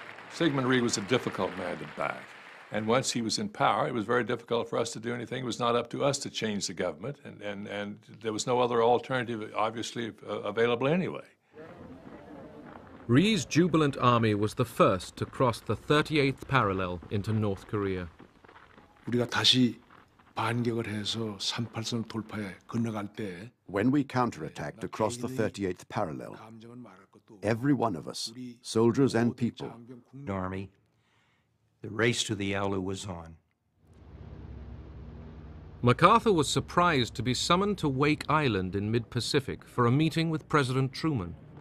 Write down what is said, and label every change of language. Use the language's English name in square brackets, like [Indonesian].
[English] Syngman Rhee was a difficult man to back. And once he was in power, it was very difficult for us to do anything. It was not up to us to change the government. And there was no other alternative, obviously, available anyway. Rhee's jubilant army was the first to cross the 38th parallel into North Korea. [Korean] 우리가 다시 반격을 해서 38선 돌파에 건너갈 때 [English] When we counterattacked across the 38th parallel, every one of us, soldiers and people, army, the race to the Yalu was on. MacArthur was surprised to be summoned to Wake Island in mid-Pacific for a meeting with President Truman.